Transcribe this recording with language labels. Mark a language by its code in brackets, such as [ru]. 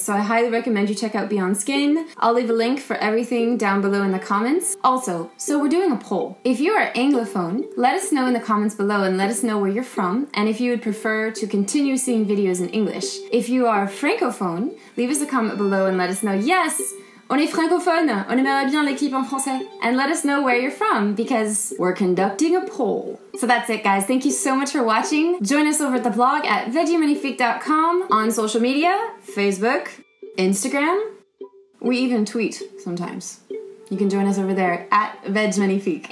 [en] So I highly recommend you check out Beyond Skin. I'll leave a link for everything down below in the comments. Also, so we're doing a poll. If you are Anglophone, let us know in the comments below and let us know where you're from and if you would prefer to continue seeing videos in English. If you are Francophone, leave us a comment below and let us know, yes, [fr] On est francophone, on aimerait bien l'équipe en français. [en] And let us know where you're from, because we're conducting a poll. So that's it, guys. Thank you so much for watching. Join us over at the blog at veggiemagnifique.com, on social media, Facebook, Instagram. We even tweet sometimes. You can join us over there at vegmagnifique.